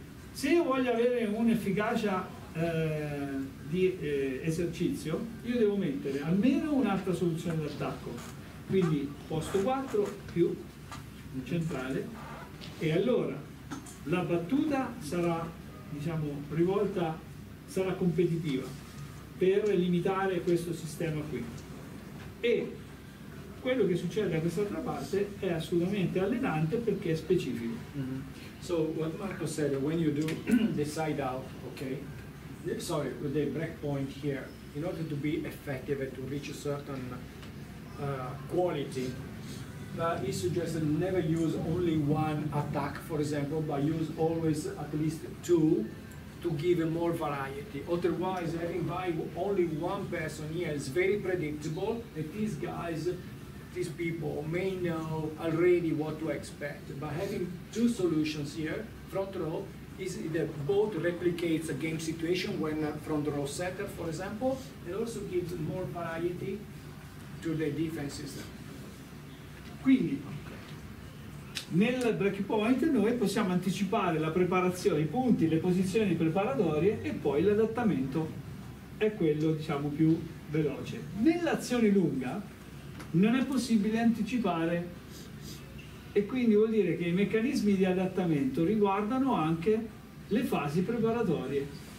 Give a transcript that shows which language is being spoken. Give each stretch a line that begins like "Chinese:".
Italian: Se io voglio avere un'efficacia di esercizio, io devo mettere almeno un'altra soluzione d'attacco, quindi posto 4 più centrale, e allora la battuta sarà, diciamo, rivolta, sarà competitiva per limitare questo sistema qui. E quello che succede da quest'altra parte è assolutamente allenante perché è specifico. Mm-hmm.
English: So what Marco said, when you do the side out, okay, sorry, with the break point here, in order to be effective and to reach a certain quality, he suggested never use only one attack, for example, but use always at least two to give a more variety. Otherwise, having by only one person here is very predictable that these guys, these people may know already what to expect. But having two solutions here, front row, is that both replicates a game situation when front row setter, for example, it also gives more variety to the defenses.
Italian: Quindi, nel break point noi possiamo anticipare la preparazione, i punti, le posizioni preparatorie e poi l'adattamento è quello, diciamo, più veloce. Nell'azione lunga non è possibile anticipare, e quindi vuol dire che i meccanismi di adattamento riguardano anche le fasi preparatorie.